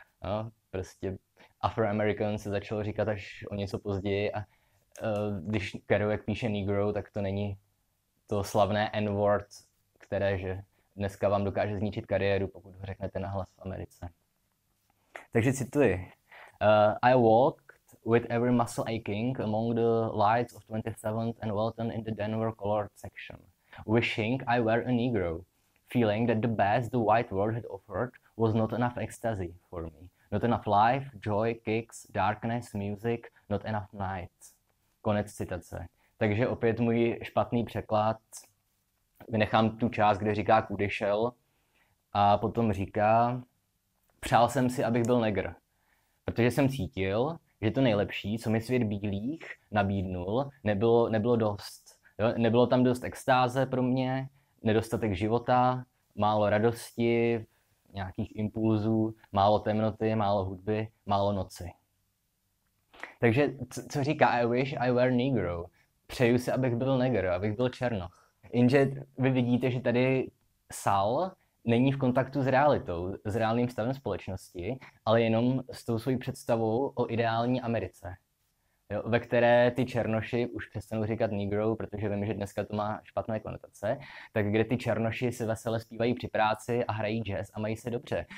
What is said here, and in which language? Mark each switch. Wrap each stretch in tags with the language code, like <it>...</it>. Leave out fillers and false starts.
<cs>No, prostě Afroamerican se začalo říkat až o něco později a když Kerouac píše negro, tak to není to slavné N-word, které že dneska vám dokáže zničit kariéru, pokud ho řeknete nahlas v Americe. Takže cituji.</cs> <en>I walked with every muscle aching among the lights of 27th and Walton in the Denver colored section, wishing I were a negro, feeling that the best the white world had offered was not enough ecstasy for me, not enough life, joy, kicks, darkness, music, not enough night.</en> <cs>Konec citace. Takže opět můj špatný překlad. Vynechám tu část, kde říká kudy šel a potom říká přál jsem si, abych byl negr. Protože jsem cítil, že to nejlepší, co mi svět bílých nabídnul, nebylo dost. Jo? Nebylo tam dost extáze pro mě, nedostatek života, málo radosti, nějakých impulzů, málo temnoty, málo hudby, málo noci. Takže co říká</cs> <en>I wish I were negro?</en> <cs>Přeju si, abych byl negr, abych byl černoch. Jenže vy vidíte, že tady Sal není v kontaktu s realitou, s reálným stavem společnosti, ale jenom s tou svojí představou o ideální Americe. Jo, ve které ty černoši, už přestanu říkat Negro, protože vím, že dneska to má špatné konotace, tak kde ty černoši se vesele zpívají při práci a hrají jazz a mají se dobře.</cs>